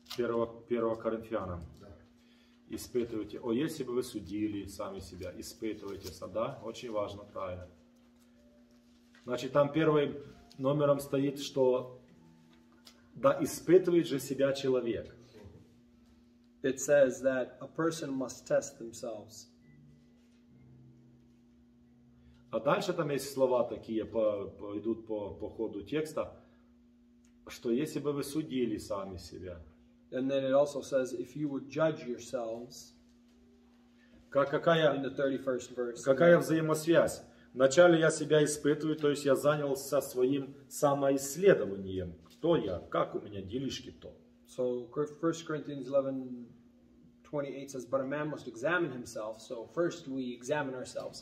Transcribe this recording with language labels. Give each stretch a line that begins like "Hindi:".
Russian: 1 Коринфянам. Да. Испытывайте. О, если бы вы судили сами себя, испытывайте. Да, очень важно, правильно. Значит, там первым номером стоит, что да испытывает же себя человек.
English: It says that a person must test themselves.
Russian: А дальше там есть слова такие, пойдут по ходу текста, что если бы вы судили сами себя.
English: And then it also says, if you would judge yourselves.
Russian: Какая,
English: in the 31st verse.
Russian: Какая взаимосвязь? Вначале я себя испытываю, то есть я занялся своим самоисследованием. Кто я? Как у меня делишки-то?
English: So 1 Corinthians 11, 28 says, but a man must examine himself. So first we examine ourselves.